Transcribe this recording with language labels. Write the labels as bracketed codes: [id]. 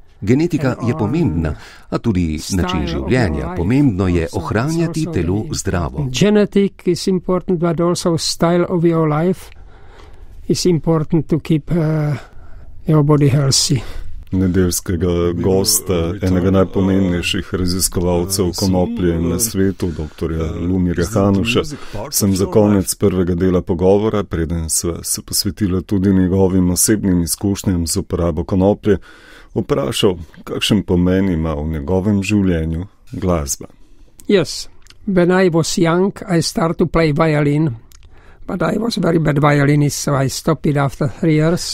[sl] Genetika je pomembna, a tudi način življenja. Pomembno je ohranjati telo zdravo. [en] Genetic is important, but also style of your life is important to keep your body healthy. [sl] Nedeljskega gosta, enega najpomembnejših raziskovalcev konoplje na svetu, doktorja Lumirja Hanuša, sem za konec prvega dela pogovora, preden sva se posvetila tudi njegovim osebnim izkušnjam z uporabo konoplje, vprašal, kakšen pomen ima v njegovem življenju glasba. [en] Yes, when I was young, I start to play violin. But I was very bad violinist, so I stopped it after 3 years.